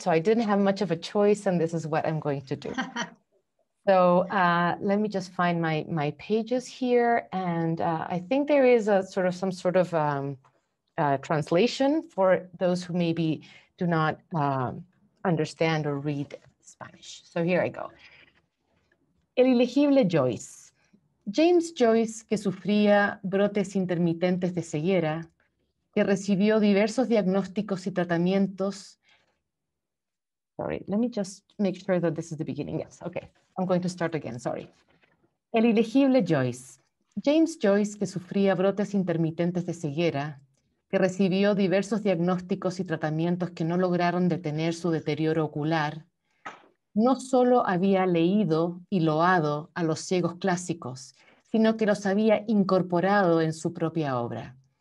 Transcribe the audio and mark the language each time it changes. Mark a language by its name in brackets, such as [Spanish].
[English] So I didn't have much of a choice, and this is what I'm going to do. So let me just find my pages here. And I think there is a sort of some sort of translation for those who maybe do not understand or read Spanish. So here I go. [Spanish] El ilegible Joyce. James Joyce, que sufría brotes intermitentes de ceguera, que recibió diversos diagnósticos y tratamientos, [English] Sorry, let me just make sure that this is the beginning. Yes, okay. I'm going to start again, sorry. [Spanish] El ilegible Joyce. James Joyce, que sufría brotes intermitentes de ceguera, que recibió diversos diagnósticos y tratamientos que no lograron detener su deterioro ocular, no solo había leído y loado a los ciegos clásicos, sino que los había incorporado en su propia obra.